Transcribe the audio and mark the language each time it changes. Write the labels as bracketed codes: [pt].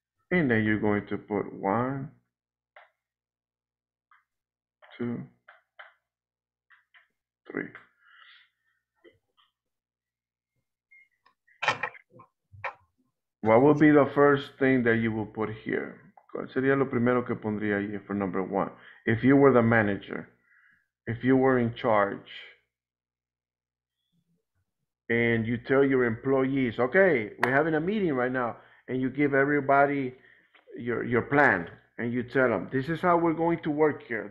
[en] And then you're going to put 1, 2, 3. What would be the first thing that you would put here? [es] ¿Cuál sería lo primero que pondría ahí [en] for number one? If you were the manager, if you were in charge, and you tell your employees, okay, we're having a meeting right now, and you give everybody your plan, and you tell them, this is how we're going to work here.